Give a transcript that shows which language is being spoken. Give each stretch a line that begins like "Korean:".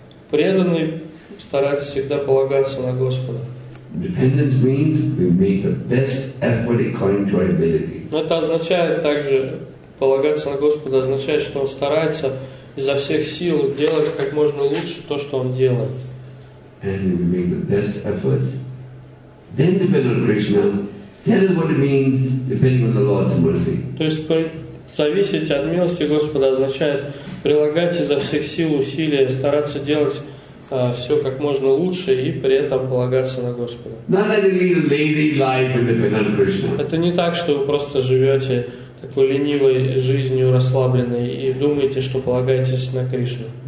Russian: Преданный старается всегда полагаться на Господа.
English: Dependence means we make the best effort according to our ability.
Russian: Но это означает также полагаться на Господа, означает, что он старается изо всех сил делать как можно лучше то, что он делает.
English: And we make the best efforts. Then depend on Krishna. That is what it means, depending on the Lord's mercy.
Russian: То есть зависеть от милости Господа означает прилагать изо всех сил усилия, стараться делать все как можно лучше и при этом полагаться на Господа. Это не так, что вы просто живете такой ленивой жизнью, расслабленной, и думаете, что полагаетесь на Кришну.